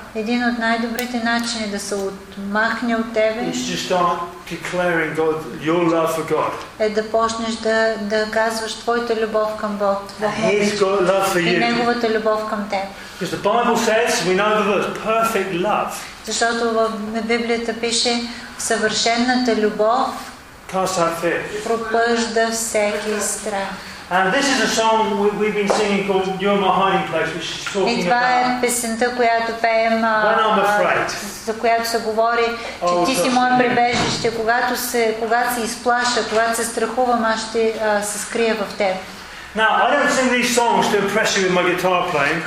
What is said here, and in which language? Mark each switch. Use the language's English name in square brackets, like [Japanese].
[Bulgarian] Един от най-добрите начини да се отмахне от тебе. [English] Is to start declaring God, your love for God. [Bulgarian] Е да почнеш да казваш твоята любов към Бог. [English] His love for you. [Bulgarian] И неговата любов към теб. [English] Because the Bible says we know the verse, perfect love. [Bulgarian] Защото в Библията пише съвършената любов. [English] Cast out fear. [Bulgarian] Пропъжда всеки страх. [English] And this is a song we've been singing called "You're My Hiding Place," which is talking about. [Bulgarian] Това е песента, която пеем. [English] When I'm afraid. [Bulgarian] За която се говори, че ти си мое прибежище, когато се изплаша, когато се страхувам, аз ще се скрия в теб. [English] Now I don't sing these songs to impress you with my guitar playing.